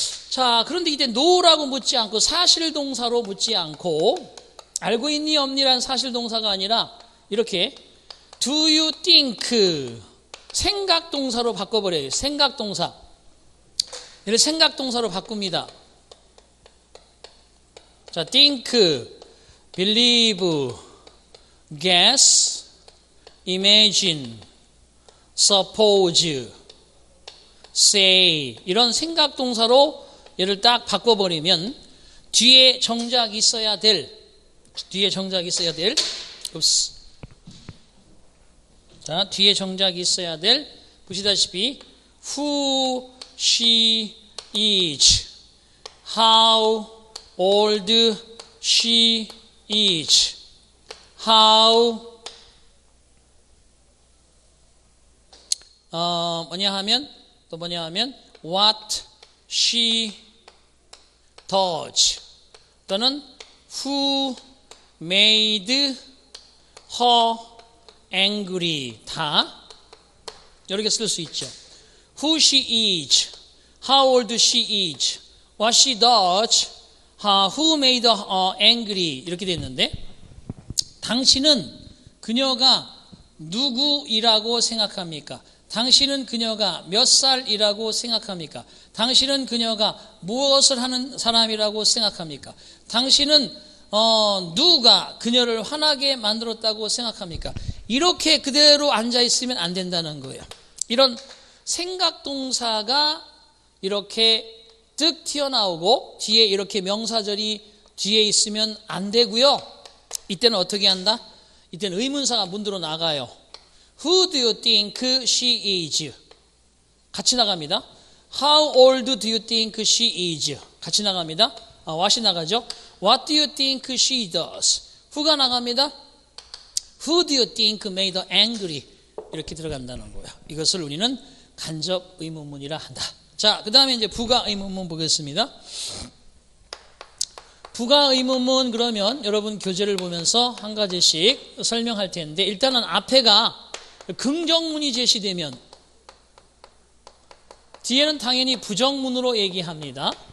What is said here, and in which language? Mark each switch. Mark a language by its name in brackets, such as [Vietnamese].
[Korean] 자, 그런데 이때 노라고 묻지 않고 사실 동사로 묻지 않고 알고 있니 없니란 사실 동사가 아니라 이렇게 [English] Do you think? [Korean] 생각동사로 바꿔버려요. 생각동사. 이를 생각동사로 바꿉니다. [English] 자, think, believe, guess, imagine, suppose, say. [Korean] 이런 생각동사로 얘를 딱 바꿔버리면 뒤에 정작 있어야 될, 뒤에 정작 있어야 될, 없어. 자, 뒤에 정작이 있어야 될 보시다시피 [English] Who she is How old she is How [Korean] 뭐냐 하면 또 뭐냐 하면 [English] What she does [Korean] 또는 [English] Who made her angry [Korean] 다 이렇게 쓸 수 있죠. [English] Who she is, how old she is, what she does, who made her angry [Korean] 이렇게 됐는데 당신은 그녀가 누구이라고 생각합니까? 당신은 그녀가 몇 살이라고 생각합니까? 당신은 그녀가 무엇을 하는 사람이라고 생각합니까? 당신은 누가 그녀를 화나게 만들었다고 생각합니까? 이렇게 그대로 앉아있으면 안 된다는 거예요. 이런 생각동사가 이렇게 뜩 튀어나오고 뒤에 이렇게 명사절이 뒤에 있으면 안 되고요. 이때는 어떻게 한다? 이때는 의문사가 문드러 나가요. [English] Who do you think she is? [Korean] 같이 나갑니다. [English] How old do you think she is? [Korean] 같이 나갑니다. What이 나가죠? [English] What do you think she does? [Korean] Who가 나갑니다. [English] Who do you think made her angry? [Korean] 이렇게 들어간다는 거예요. 이것을 우리는 간접 의문문이라 한다. 자, 그 다음에 이제 부가 의문문 보겠습니다. 부가 의문문 그러면 여러분 교재를 보면서 한 가지씩 설명할 텐데 일단은 앞에가 긍정문이 제시되면 뒤에는 당연히 부정문으로 얘기합니다.